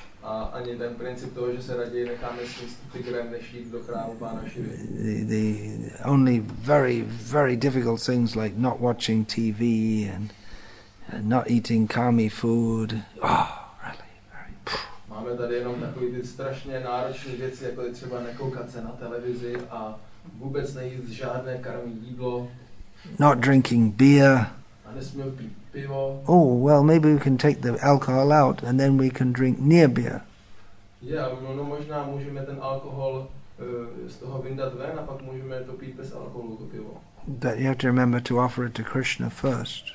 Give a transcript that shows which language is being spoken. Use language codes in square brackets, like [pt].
[cs] A ani ten princip toho, že se raději necháme s tygrem, než jít do chrámu pána Šivy. [en] The only very, very difficult things like not watching TV and not eating kami food. Oh, really, very. [cs] Máme tady jenom takový ty strašně náročné věci, jako je třeba nekoukat se na televizi a vůbec nejít žádné karmí jídlo. [en] Not drinking beer. Oh, well, maybe we can take the alcohol out and then we can drink near beer. But you have to remember to offer it to Krishna first.